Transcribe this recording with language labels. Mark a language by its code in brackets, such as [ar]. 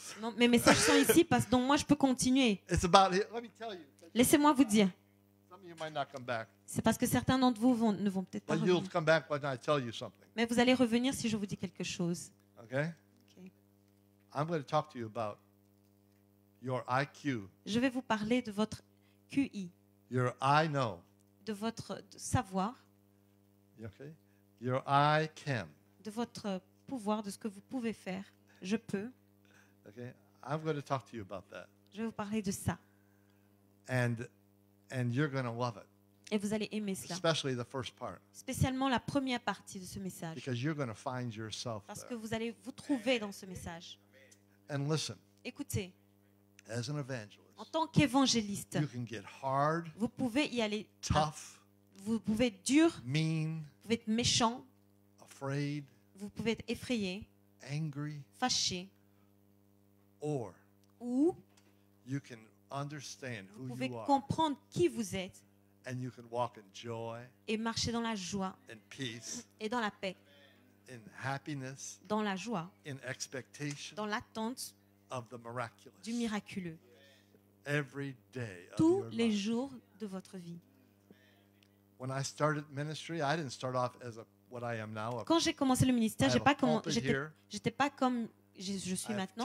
[fr] Non, mes messages sont ici parce que donc moi je peux continuer. [en] It's about here. Let me tell you. [fr] Laissez-moi vous dire. [en] Some of you might not come back. [fr] C'est parce que certains d'entre vous ne vont peut-être [en] But [fr] pas [en] you'll [fr] revenir. [en] Come back when I tell you something. [fr] Mais vous allez revenir si je vous dis quelque chose. [en] Okay. I'm going to talk to you about your IQ. [fr] Je vais vous parler de votre QI. [en] Your I know. [fr] De votre savoir. [en] You okay? Your I can. [fr] De votre pouvoir, de ce que vous pouvez faire, je peux. [en] Okay, I'm going to talk to you about that. [fr] Je vais vous parler de ça. [en] And you're going to love it. [fr] Et vous allez aimer cela. [en] Especially the first part. [fr] Spécialement la première partie de ce message. [en] Because you're going to find yourself. [fr] Parce [en] there. [fr] Que vous allez vous trouver dans ce message. [en] And listen. [fr] Écoutez. [en] As an evangelist. [fr] En tant qu'évangéliste. [en] You can get hard. [fr] Vous pouvez y aller. [en] Tough. [fr] Vous pouvez être dur, [en] mean, [fr] vous pouvez être méchant, [en] afraid, [fr] vous pouvez être effrayé, [en] angry, [fr] fâché, [en] or, [fr] ou [en] you can understand [fr] vous [en] who [fr] pouvez [en] you are, [fr] comprendre qui vous êtes [en] and you can walk in joy, [fr] et marcher dans la joie [en] and peace, [fr] et dans la paix, [en] in happiness, [fr] dans la joie, [en] in expectation, [fr] dans l'attente [en] of the miraculous, [fr] du miraculeux, [en] every day of [fr] tous [en] your [fr] les [en] life. [fr] Jours de votre vie. [en] When I started ministry, I didn't start off as a, what I am now. [fr] Quand j'ai commencé le ministère, j'étais pas comme je suis maintenant.